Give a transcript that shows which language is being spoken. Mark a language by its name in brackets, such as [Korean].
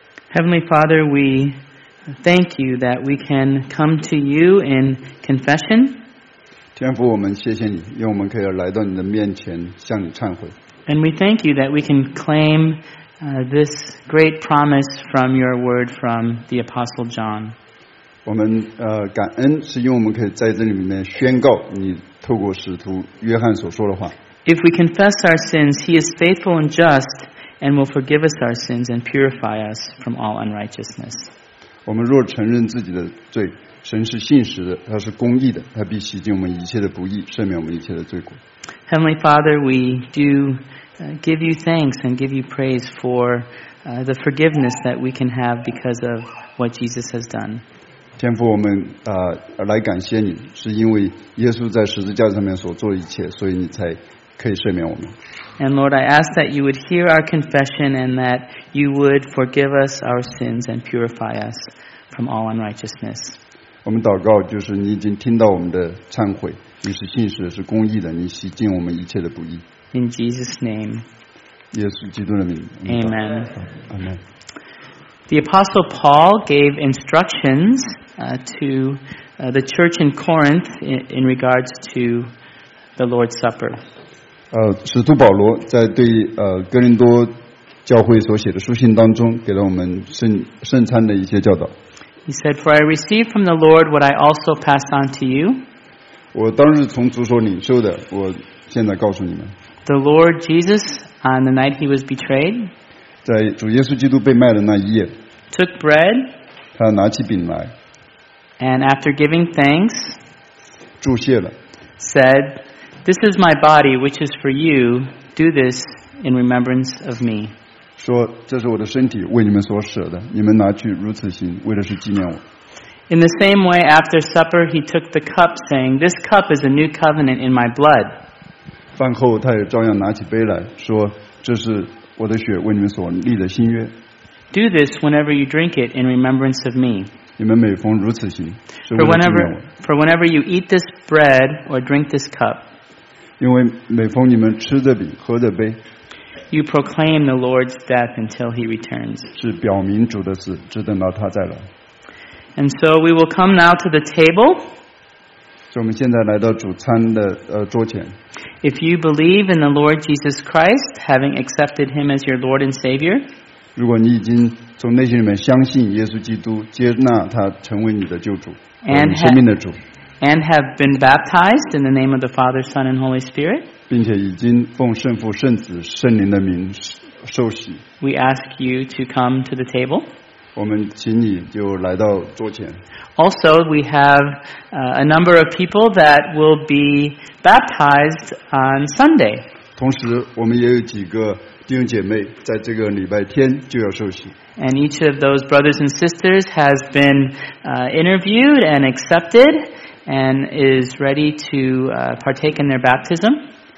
[English] Heavenly Father, we thank you that we can come to you in confession. [Chinese] 天父，我们谢谢你，因为我们可以来到你的面前向你忏悔。 [English] And we thank you that we can claim this great promise from your word from the Apostle John. [Chinese] 我们感恩，是因为我们可以在这里面宣告你透过使徒约翰所说的话。 [English] If we confess our sins, he is faithful and just. And will forgive us our sins and purify us from all unrighteousness. [Chinese] 我们若承认自己的罪，神是信实的，他是公义的，他必洗净我们一切的不义，赦免我们一切的罪过。 [English] Heavenly Father, we do give you thanks and give you praise for the forgiveness that we can have because of what Jesus has done. [Chinese] 天父，我们来感谢你，是因为耶稣在十字架上面所做的一切，所以你才。可以赦免我们。 [English] And Lord, I ask that you would hear our confession and that you would forgive us our sins and purify us from all unrighteousness. [Chinese] 我们祷告就是你已经听到我们的忏悔，你是信实的，是公义的，你洗净我们一切的不义。 [English] In Jesus' name. [Chinese] 耶稣基督的名。 [English] Amen. Amen. The Apostle Paul gave instructions to the church in Corinth in regards to the Lord's Supper. [Chinese] 使徒保罗在对哥林多教会所写的书信当中给了我们圣餐的一些教导。 [English] He said, "For I received from the Lord what I also passed on to you." [Chinese] 我当日从主所领受的，我现在告诉你们。 [English] The Lord Jesus, on the night he was betrayed, [Chinese] 在主耶稣基督被卖的那一夜 [English] took bread, [Chinese] 他拿起饼来 [English] and after giving thanks, [Chinese] 祝谢了 [English] said,This is my body, which is for you. Do this in remembrance of me. [Chinese] 说这是我的身体，为你们所舍的。你们拿去如此行，为的是纪念我。 [English] In the same way, after supper, he took the cup, saying, "This cup is a new covenant in my blood." [Chinese] 饭后，他也照样拿起杯来说，这是我的血，为你们所立的新约。 [English] Do this whenever you drink it in remembrance of me. [Chinese] 你们每逢如此行， [English] for whenever you eat this bread or drink this cup. [Chinese] 因为每逢你们吃的饼喝的杯 [English] You proclaim the Lord's death until he returns. [Chinese] 是表明主的死，只等到他再来。 [English] And so we will come now to the table. [Chinese] 所以我们现在来到主餐的桌前。 [English] If you believe in the Lord Jesus Christ, having accepted him as your Lord and Savior, [Chinese] 如果你已经从内心里面相信耶稣基督，接纳他成为你的救主， [English] and [Chinese] 生命的主。 [English] And have been baptized in the name of the Father, Son, and Holy Spirit. [Chinese] 并且已经奉圣父、圣子、圣灵的名受洗。 [English] We ask you to come to the table. [Chinese] 我们请你就来到桌前。 [English] Also, we have a number of people that will be baptized on Sunday. [Chinese] 同时，我们也有几个弟兄姐妹在这个礼拜天就要受洗。 [English] And each of those brothers and sisters has been interviewed and accepted.And is ready to partake in their baptism.